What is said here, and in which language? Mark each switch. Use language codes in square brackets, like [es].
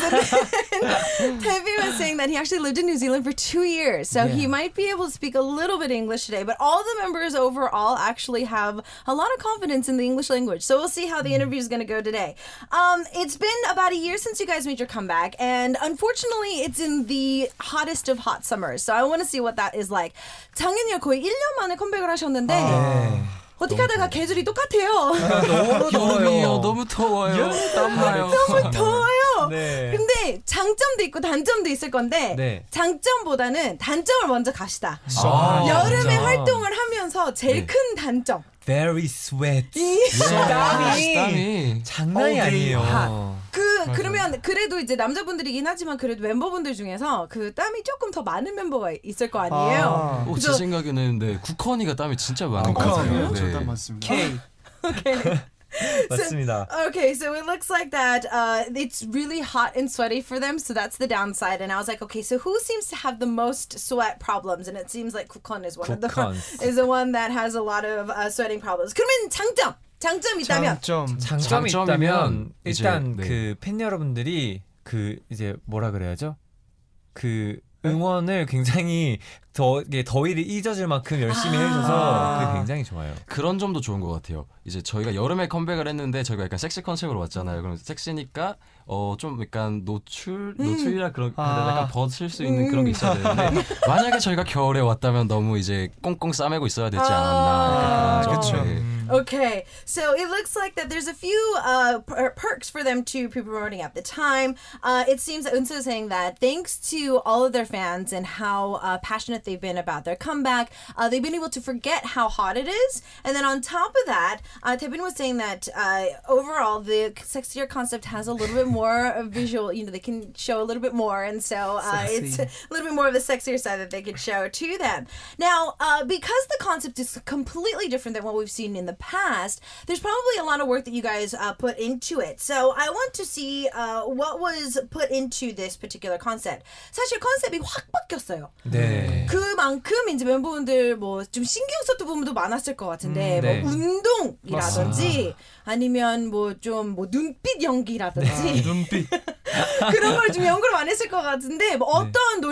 [en] Tevin was saying that he actually lived in New Zealand for 2 years, so yeah. he might be able to speak a little bit English today. But all the members overall actually have a lot of confidence in the English language. So we'll see how the interview is going to go today. It's been about a year since you guys made your comeback, and unfortunately, it's in the hottest of hot summers. So I want to see what that is like. [ko] 작년에 거의 1년 만에 컴백을 하셨는데 어떻게 하다가 계절이 똑같아요. 여름이요. 너무 더워요. 땀나요. 너무 더워요. 네. 근데 장점도 있고 단점도 있을 건데 네. 장점보다는 단점을 먼저 갑시다. 아, 여름에 진짜. 활동을 하면서 제일 네. 큰 단점. [en] Very sweat. [ko] 땀이 장난이 아니에요. 그 맞아. 그러면 그래도 이제 남자분들이긴 하지만 그래도 멤버분들 중에서 그 땀이 조금 더 많은 멤버가 있을 거 아니에요. 아. 오, 제 생각에는 네. 국헌이가 땀이 진짜 많은 거 같아요. 저 땀 많습니다. 오케이. 맞습니다. [en] So, okay, so it looks like that it's really hot and sweaty for them, so that's the downside. And I was like, okay, so who seems to have the most sweat problems? And it seems like Kukon is one of the is the one that has a lot of sweating problems. [ko] 그러면 장점! 장점 있다면? 장점 있다면 일단 이제, 그 네. 팬 여러분들이 그 이제 뭐라 그래야죠? 그 응원을 굉장히 더위를 잊어줄 만큼 열심히 해줘서 그게 굉장히 좋아요. 그런 점도 좋은 것 같아요. 이제 저희가 여름에 컴백을 했는데 저희가 약간 섹시 컨셉으로 왔잖아요. 그럼 섹시니까 좀 약간 노출이라 그런 약간 버틸 수 있는 그런 게 있어야 되는데 만약에 저희가 겨울에 왔다면 너무 이제 꽁꽁 싸매고 있어야 되지 않았나. 그렇죠. [en] Okay, so it looks like that there's a few perks for them to be promoting at the time. It seems that Eunsoo is saying that thanks to all of their fans and how passionate they've been about their comeback, they've been able to forget how hot it is. And then on top of that, Tevin was saying that overall the sexier concept has a little bit more visual, you know, they can show a little bit more. And so it's a little bit more of a sexier side that they could show to them. Now, because the concept is completely different than what we've seen in the past, there's probably a lot of work that you guys put into it. So I want to see what was put into this particular concept. [ko] 사실 컨셉이 확 바뀌었어요. 네. 그만큼 이제 멤버분들 뭐 좀 신경 썼던 부분도 많았을 것 같은데 네. 뭐 운동이라든지 아니면 뭐 좀 뭐 눈빛 연기라든지 네. 눈빛 그런 걸 좀 연구를 많이 했을 것 같은데 뭐 어떤 네.